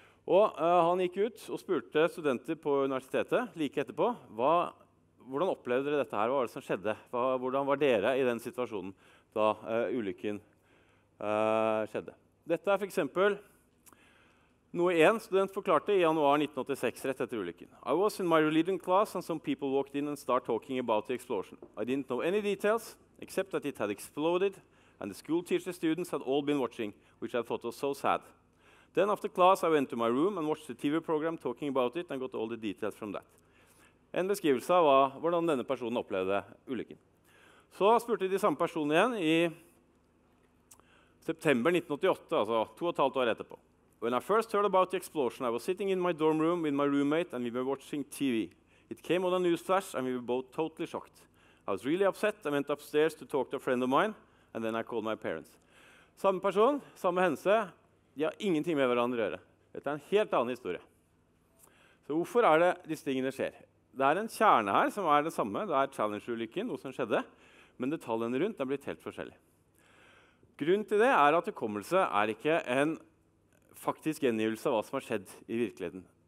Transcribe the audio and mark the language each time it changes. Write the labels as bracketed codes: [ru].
[no] Og han gikk ut og spurte studenter på universitetet like etterpå, hvordan opplevde dere dette her, hva var det som skjedde? Hvordan var dere i den situasjonen da ulykken skjedde? Dette er for eksempel noe en student forklarte i januar 1986, rett etter ulykken. [en] I was in my religion class and some people walked in and started talking about the explosion. I didn't know any details, except that it had exploded and the school teacher students had all been watching, which I thought was so sad. Then after class I went to my room and watched the TV program talking about it and got all the details from that. [no] En beskrivelse av hvordan denne personen opplevde ulykken. Så spurte de samme personen igjen i september 1988, altså 2,5 år etterpå. [en] When I first heard about the explosion, I was sitting in my dorm room with my roommate and we were watching TV. It came on a news flash and we were both totally shocked. I was really upset and went upstairs to talk to a friend of mine and then I called my parents. [no] Samme person, samme hendelse. De har ingenting med hverandre å gjøre. Dette er en helt annen historie. Så hvorfor er det disse tingene skjer? Det er en kjerne her som er det samme. Det er Challenger-ulykken, noe som skjedde. Men detaljene rundt er blitt helt forskjellige. Grunnen til det er at hukommelse er ikke en faktisk gjengivelse av hva som har skjedd i virkeligheten.